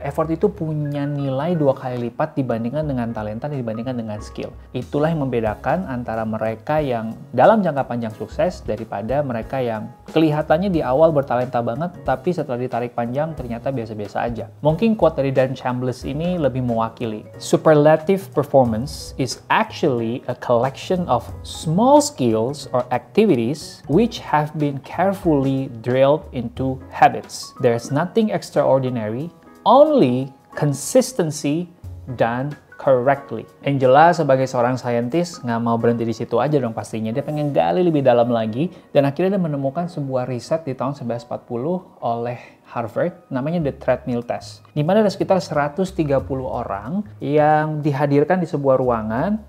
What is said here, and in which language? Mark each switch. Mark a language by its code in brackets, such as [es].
[id] Effort itu punya nilai 2 kali lipat dibandingkan dengan talenta dan dibandingkan dengan skill. Itulah yang membedakan antara mereka yang dalam jangka panjang sukses daripada mereka yang kelihatannya di awal bertalenta banget tapi setelah ditarik panjang ternyata biasa-biasa aja. Mungkin quote dari Dan Chambliss ini lebih mewakili. [en] Superlative performance is actually a collection of small skills or activities which have been carefully drilled into habit. There's nothing extraordinary, only consistency done correctly. [id] Angela sebagai seorang saintis nggak mau berhenti di situ aja dong pastinya. Dia pengen gali lebih dalam lagi dan akhirnya dia menemukan sebuah riset di tahun 1940 oleh Harvard, namanya The Treadmill Test. Di mana ada sekitar 130 orang yang dihadirkan di sebuah ruangan.